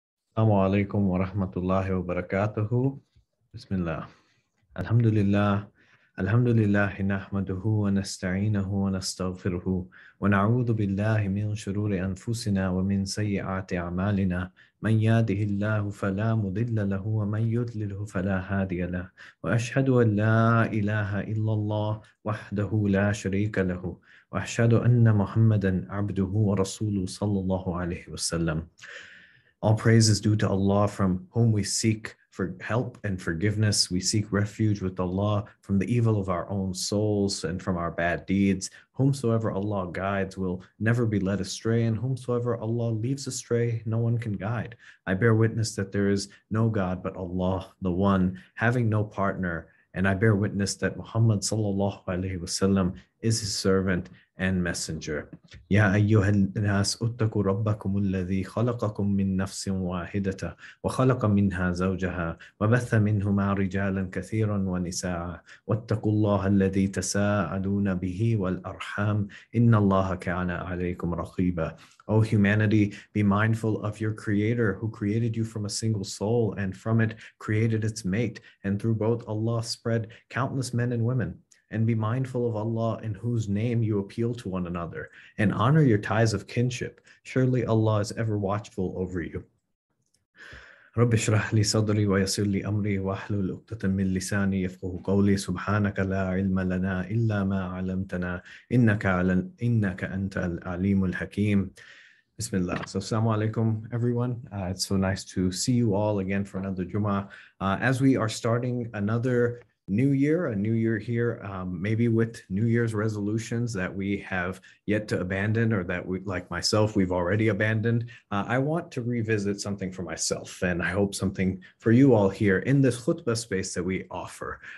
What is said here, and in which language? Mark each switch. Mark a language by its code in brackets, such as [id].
[ar] السلام عليكم ورحمة الله وبركاته. بسم الله، الحمد لله، الحمد لله، نحمده ونستعينه ونستغفره ونعوذ بالله من شرور أنفسنا ومن سيئات أعمالنا. من يهده الله فلا مضل له، ومن يضلله فلا هادي له، وأشهد أن لا إله إلا الله وحده لا شريك له، وأشهد أن محمدا عبده ورسوله صلى الله عليه وسلم. [en] All praise is due to Allah, from whom we seek for help and forgiveness. We seek refuge with Allah from the evil of our own souls and from our bad deeds. Whomsoever Allah guides will never be led astray, and whomsoever Allah leaves astray, no one can guide. I bear witness that there is no God but Allah, the One, having no partner, and I bear witness that Muhammad sallallahu alaihi wasallam is his servant and messenger. [ar] يا أيها الناس اتقوا ربكم الذي خلقكم من نفس واحدة وخلق منها زوجها وبث منهما رجالا كثيرا ونساء واتقوا الله الذي تساءلون به والأرحام إن الله كان عليكم رقيبا. [en] O humanity, be mindful of your creator who created you from a single soul and from it created its mate, and through both Allah spread countless men and women. And be mindful of Allah, in whose name you appeal to one another, and honor your ties of kinship. Surely Allah is ever watchful over you. [ar] رب اشرح لي صدري ويسر لي امري واحلل عقدة من لساني يفقهوا قولي سبحانك لا علم لنا الا ما علمتنا انك انت العليم الحكيم. [en] Bismillah. So, assalamu alaikum, everyone. It's so nice to see you all again for another Jummah. As we are starting another new year, a new year here, maybe with New Year's resolutions that we have yet to abandon, or that we, like myself, we've already abandoned, I want to revisit something for myself, and I hope something for you all here in this khutbah space that we offer.